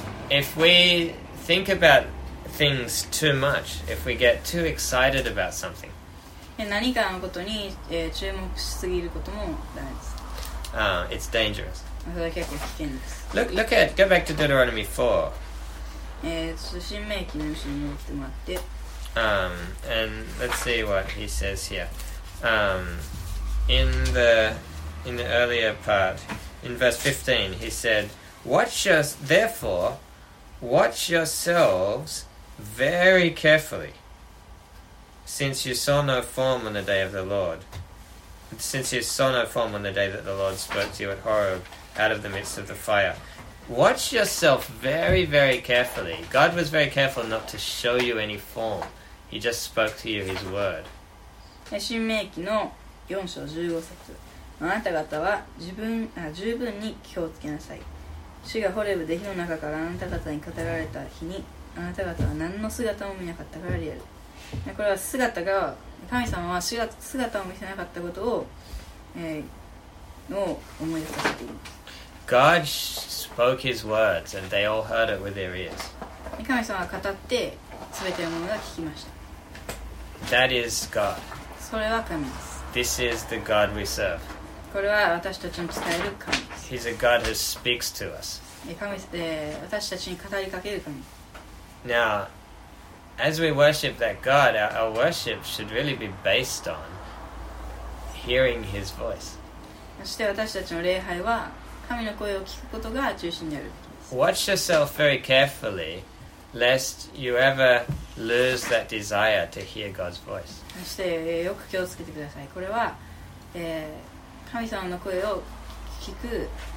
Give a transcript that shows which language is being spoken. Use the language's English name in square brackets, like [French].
[English] If we think about things too much, if we get too excited about something, [Japanese] 何かのことに、注目しすぎることもダメです。 [English] It's dangerous. [Japanese] それは結構危険です。 [English] Go back to Deuteronomy 4. [Japanese] 新命記の後ろに戻ってもらって。 [English] And let's see what he says here. In the earlier part, in verse 15, he said, Therefore, watch yourselves very carefully, since you saw no form on the day of the Lord, since you saw no form on the day that the Lord spoke to you at Horeb out of the midst of the fire. Watch yourself very, very carefully. God was very careful not to show you any form. He just spoke to you his word. [Japanese] 新命記の4章15節。あなた方は十分に気をつけなさい。主がホレブで火の中からあなた方に語られた日に、あなた方は何の姿も見なかったからである。これは姿が神様は姿を見せなかったことを、を思い出させています。 [English] God spoke his words and they all heard it with their ears. [Japanese] 神様が語って全てのものが聞きました。 [English] That is God. [Japanese] それは神です。 [English] This is the God we serve. [Japanese] これは私たちに伝える神です。 [English] He's a God who speaks to us. [Japanese] 私たちに語りかける神。 [English] Now, as we worship that God, our worship should really be based on hearing His voice. [Japanese] そして私たちの礼拝は神の声を聞くことが中心である。 [English] Watch yourself very carefully, lest you ever lose that desire to hear God's voice. [Japanese] そしてよく気をつけてください。これは、神様の声を聞く